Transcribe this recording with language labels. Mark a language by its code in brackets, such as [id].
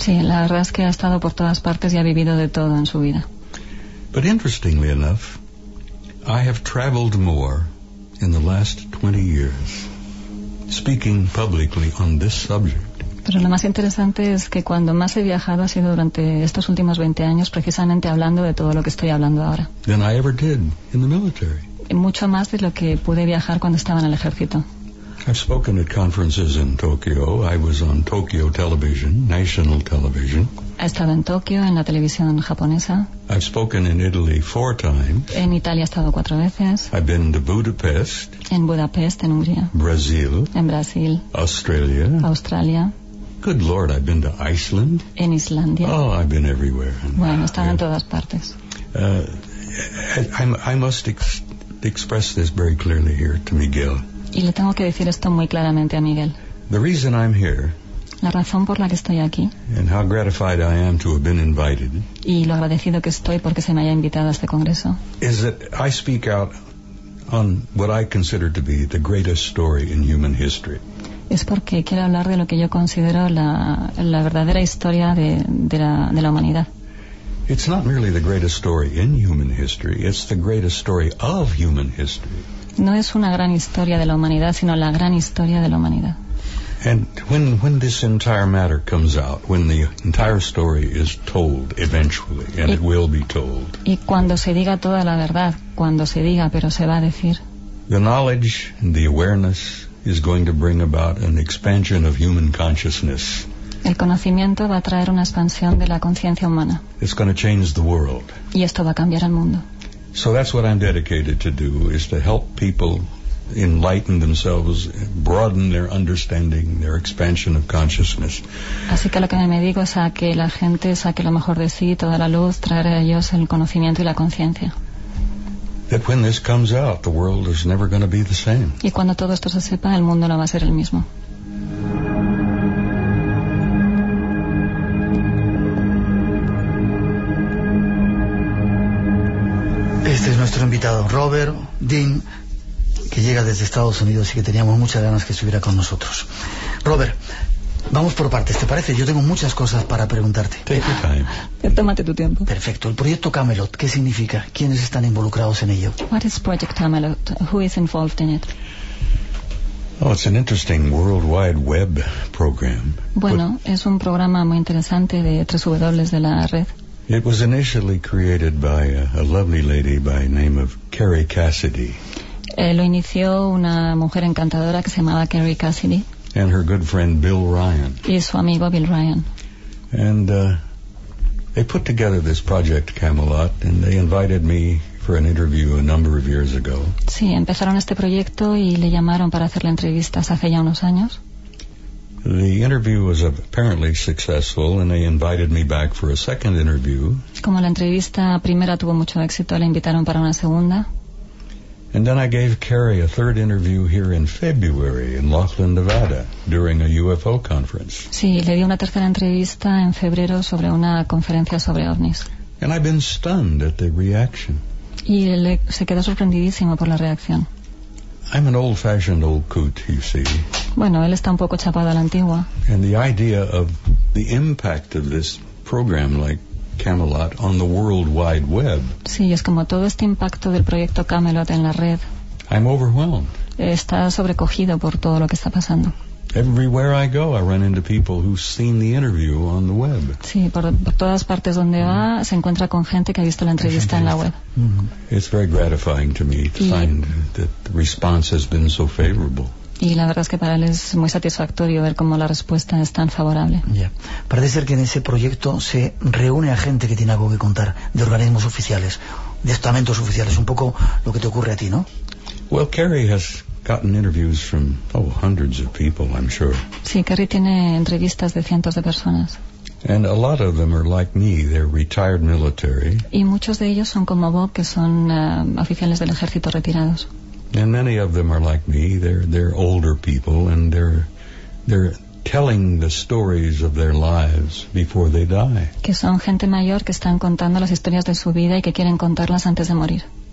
[es] Sí, la verdad es que ha estado por todas partes y ha vivido de todo en su vida. [en] But interestingly enough, I have traveled more in the last 20 years, speaking publicly on this subject. [es] Pero lo más interesante es que cuando más he viajado ha sido durante estos últimos 20 años, precisamente hablando de todo lo que estoy hablando ahora. [en] Than I ever did in the military. [es] Mucho más de lo que pude viajar cuando estaba en el ejército. [en] I've spoken at conferences in Tokyo. I was on Tokyo television, national television. [es] He estado en Tokio, en la televisión japonesa. [en] I've spoken in Italy 4 times. [es] En Italia he estado 4 veces. [en] I've been to Budapest. [es] En Budapest, en Hungría. [en] Brazil. [es] En Brasil. [en] Australia. [es] Australia. [en] Good Lord, I've been to Iceland. [es] En Islandia. [en] Oh, I've been everywhere. [es] Bueno, he estado en todas partes. [en] I must express this very clearly here to Miguel. [es] Y le tengo que decir esto muy claramente a Miguel. [en] The reason I'm here, [es] la razón por la que estoy aquí, [en] and how gratified I am to have been invited, [es] y lo agradecido que estoy porque se me haya invitado a este congreso, [en] is that I speak out on what I consider to be the greatest story in human history. [es] Es porque quiero hablar de lo que yo considero la verdadera historia de la humanidad. [en] It's not merely the greatest story in human history, it's the greatest story of human history. [es] No es una gran historia de la humanidad, sino la gran historia de la humanidad. [en] And when this entire matter comes out, when the entire story is told eventually, and it will be told. [es] Y cuando se diga toda la verdad, cuando se diga, pero se va a decir. [en] The knowledge, the awareness is going to bring about an expansion of human consciousness. [es] El conocimiento va a traer una expansión de la conciencia humana. [en] It's going to change the world. [es] Y esto va a cambiar el mundo. [en] So that's what I'm dedicated to do, is to help people enlighten themselves, broaden their understanding, their expansion of consciousness. [es] Así que lo que me digo es a que la gente saque lo mejor de sí, toda la luz, traer a ellos el conocimiento y la conciencia. [en] That when this comes out, the world is never going to be the same. [es] Y cuando todo esto se sepa, el mundo no va a ser el mismo. Nuestro invitado Robert Dean, que llega desde Estados Unidos y que teníamos muchas ganas que estuviera con nosotros. Robert, vamos por partes, ¿te parece? Yo tengo muchas cosas para preguntarte. Tómate tu tiempo. Perfecto. El proyecto Camelot, ¿qué significa? ¿Quiénes están involucrados en ello? [en] What is Project Camelot? Who is involved in it? Oh, it's an interesting worldwide web program. [es] Bueno, es un programa muy interesante de 3W de la red. [en] It was initially created by a lovely lady by the name of Carrie Cassidy. [es] Lo inició una mujer encantadora que se llamaba Carrie Cassidy. [en] And her good friend Bill Ryan. [es] Y su amigo Bill Ryan. [en] And they put together this project Camelot, and they invited me for an interview a number of years ago. [es] Sí, empezaron este proyecto y le llamaron para hacerle entrevistas hace ya unos años. [en] The interview was apparently successful, and they invited me back for a second interview. [es] Como la entrevista primera tuvo mucho éxito, la invitaron para una segunda. [en] And then I gave Carrie a third interview here in February in Laughlin, Nevada, during a UFO conference. [es] Sí, le di una tercera entrevista en febrero sobre una conferencia sobre ovnis. [en] And I've been stunned at the reaction. [es] Y se quedó sorprendidísimo por la reacción. [en] I'm an old-fashioned old coot, you see. [es] Bueno, él está un poco chapado a la antigua. [en] And the idea of the impact of this program like Camelot on the World Wide Web. [es] Sí, es como todo este impacto del proyecto Camelot en la red. [en] I'm overwhelmed. [es] Está sobrecogido por todo lo que está pasando. [en] Everywhere I go, I run into people who've seen the interview on the web. [es] Sí, por todas partes donde va, se encuentra con gente que ha visto la entrevista en la web. [en] It's very gratifying to me to find that the response has been so favorable. [es] Y la verdad es que para él es muy satisfactorio ver cómo la respuesta es tan favorable. Ya. Parece ser que en ese proyecto se reúne a gente que tiene algo que contar de organismos oficiales, de estamentos oficiales, un poco lo que te ocurre a ti, ¿no? [en] Well, Carrie has gotten interviews from hundreds of people, I'm sure. [es] Sí, Carrie tiene entrevistas de cientos de personas. [en] And a lot of them are like me, they're retired military. [es] Y muchos de ellos son como Bob, que son oficiales del ejército retirados. [en] And many of them are like me, they're older people, and they're telling the stories of their lives before they die. [es] Que son gente mayor que están contando las historias de su vida y que quieren contarlas antes de morir.